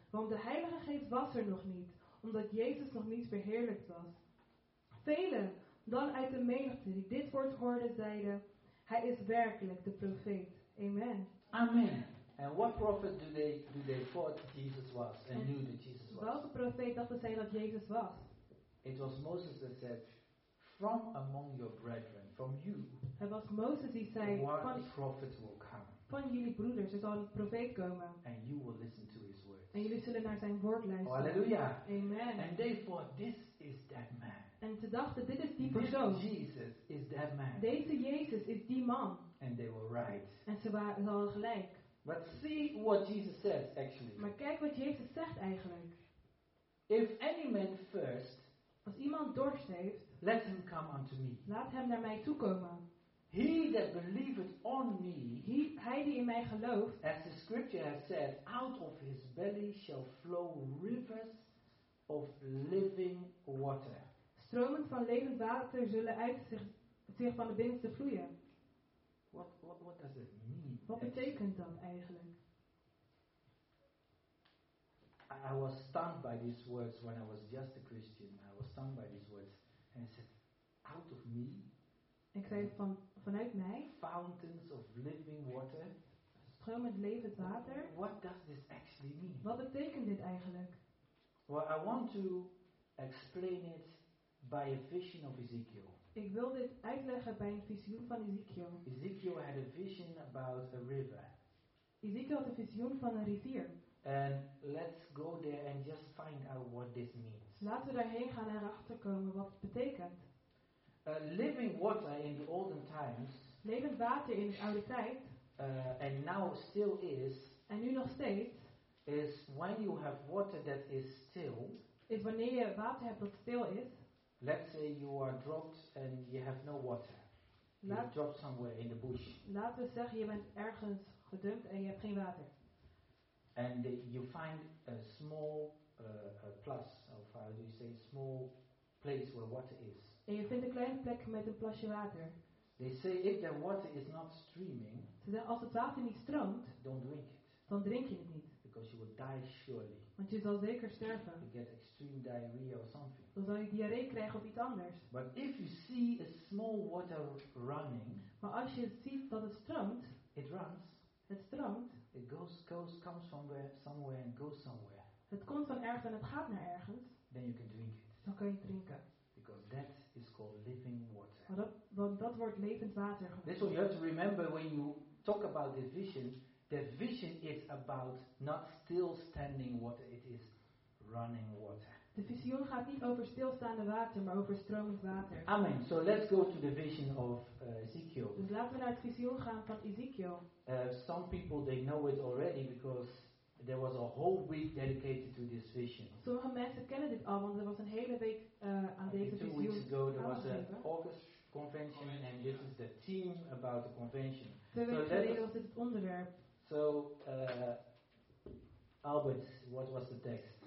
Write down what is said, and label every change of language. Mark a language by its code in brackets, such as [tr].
[nl] Want de Heilige Geest was er nog niet, omdat Jezus nog niet verheerlijkt was. Velen dan uit de menigte die dit woord hoorden, zeiden: Hij is werkelijk de profeet. Amen." Amen. [en] And what prophet do they thought Jesus was and knew that Jesus was? [nl] Welke profeet dachten zij dat Jezus was? [en] It was Moses that said, "From among your brethren, from you." [nl] Het was Mozes die zei: [en] "One prophet will come." [nl] Van jullie broeders er zal een profeet komen. [en] And you will listen to his words. [nl] En jullie zullen naar zijn woord luisteren. Halleluja. Amen. [en] And they thought, "This is that man." [nl] En ze dachten: dit is die persoon. [en] This Jesus is that man. [nl] Deze Jezus is die man. [en] And they were right. [nl] En ze waren al gelijk. [en] But see what Jesus says actually. [nl] Maar kijk wat Jezus zegt eigenlijk. [en] "If any man thirst, [nl] als iemand dorst heeft, [en] let him come unto me. [nl] Laat hem naar mij toe komen. [en] He that believeth on me, [nl] hij die in mij gelooft, [en] as the scripture has said, out of his belly shall flow rivers of living water." [nl] Stromen van levend water zullen uit zich van de binnenste vloeien. [en] What does it mean? [nl] Wat betekent dat eigenlijk? [en] I was stunned by these words when I was just a Christian. I was stunned by these words. And I said, out of me. [nl] Ik zei vanuit mij. [en] Fountains of living water. [nl] Stromend levend water. [en] What does this actually mean? [nl] Wat betekent dit eigenlijk? [en] Well, I want to explain it by a vision of Ezekiel. [nl] Ik wil dit uitleggen bij een visioen van Ezekiel. [en] Ezekiel had a vision about a river. [nl] Ezekiel had een visioen van een rivier. [en] And let's go there and just find out what this means. [nl] Laten we daarheen gaan en erachter komen wat het betekent. [en] Living water in the olden times. [nl] Levend water in de oude tijd. [en] And now still is. [nl] En nu nog steeds. [en] Is when you have water that is still. [nl] Is wanneer je water hebt dat stil is. [en] Let's say you are dropped and you have no water. You dropped somewhere in the bush. [nl] Laten we zeggen je bent ergens gedumpt en je hebt geen water. [en] And you find a small plus, of how do you say, small place where water is. [nl] En je vindt een kleine plek met een plasje water. [en] They say if the water is not streaming, [nl] ze zeggen als het water niet stroomt, [en] don't drink it. [nl] Dan drink je het niet. [en] Because you will die surely. [nl] Want je zal zeker sterven. [en] You get extreme diarrhea or something. [nl] Dan zal je diarree krijgen of iets anders. [en] But if you see a small water running, [nl] maar als je ziet dat het stroomt, [en] it runs. [nl] Het stroomt. [en] It goes comes from somewhere and goes somewhere. [nl] Het komt van ergens en het gaat naar ergens. [en] Then you can drink it. [nl] Dan kan je drinken. [en] Because that is called living water. [nl] Want dat wordt levend water. [en] This one you have to remember when you talk about the vision. The vision is about not still standing water, it is running water. [nl] De visioen gaat niet over stilstaande water, maar over stromend water. [en] Amen. So let's go to the vision of Ezekiel. [nl] Dus laten we naar het visioen gaan van Ezekiel. [en] Some people they know it already because there was a whole week dedicated to this vision. [nl] Sommige mensen kennen dit al, want er was een hele week aan deze visioen. [en] 2 weeks ago there was an August convention and this is the theme about the convention. [nl] Was dit het onderwerp. [en] So, Albert, what was the text?